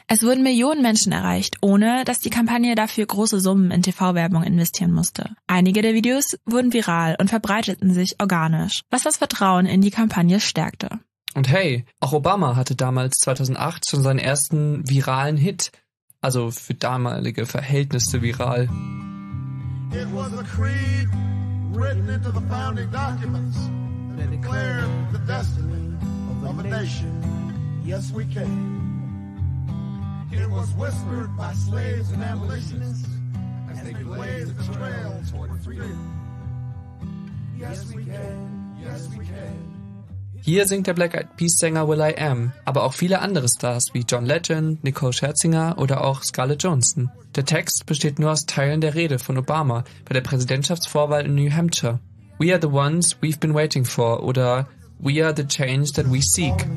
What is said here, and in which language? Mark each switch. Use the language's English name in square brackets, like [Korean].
[German] Es wurden Millionen Menschen erreicht, ohne dass die Kampagne dafür große Summen in TV-Werbung investieren musste. Einige der Videos wurden viral und verbreiteten sich organisch, was das Vertrauen in die Kampagne stärkte. Und hey, auch Obama hatte damals 2008 schon seinen ersten viralen Hit, also für damalige Verhältnisse viral. [English] It was a creed written into the founding documents that declared the destiny of a nation. Yes, we can. It was whispered by slaves and abolitionists as they blazed the trail toward freedom. Yes, we can. Yes, we can. [German] Hier singt der Black Eyed Peas-Sänger will.i.am, aber auch viele andere Stars wie John Legend, Nicole Scherzinger oder auch Scarlett Johansson. Der Text besteht nur aus Teilen der Rede von Obama bei der Präsidentschaftsvorwahl in New Hampshire. [English] We are the ones we've been waiting for [German] oder [English] We are the change that we seek.